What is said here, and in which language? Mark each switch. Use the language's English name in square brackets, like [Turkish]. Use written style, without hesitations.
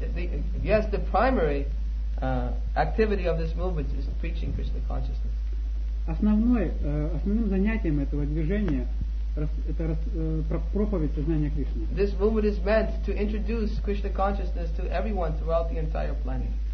[English] The primary activity of this movement is preaching Krishna consciousness. [Russian] Основным занятием этого движения это проповедь сознания Кришны. [English] This movement is meant to introduce Krishna consciousness to everyone throughout the entire planet.